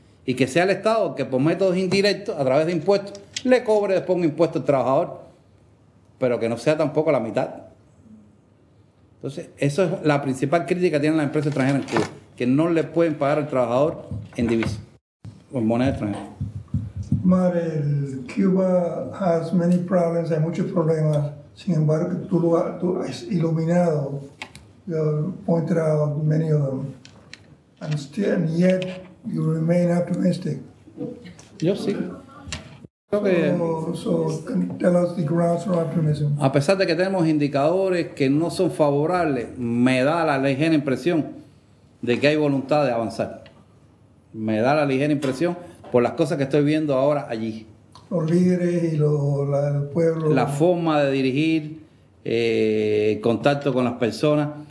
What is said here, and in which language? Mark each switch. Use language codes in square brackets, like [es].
[es] Y que sea el Estado que por métodos indirectos, a través de impuestos, le cobre después un impuesto al trabajador, pero que no sea tampoco la mitad. Entonces, eso es la principal crítica que tienen las empresas extranjeras en Cuba, que no le pueden pagar al trabajador en divisa o en moneda extranjera. [en] Marel, Cuba has many problems, [es] hay muchos problemas, sin embargo, tú has iluminado, [en] pointed out many of them, and still, and yet, you remain optimistic. [es] Yo sí. [en] So, can you tell us the grounds for optimism? [es] A pesar de que tenemos indicadores que no son favorables, me da la ligera impresión de que hay voluntad de avanzar. Me da la ligera impresión por las cosas que estoy viendo ahora allí. Los líderes y el pueblo. La forma de dirigir, contacto con las personas.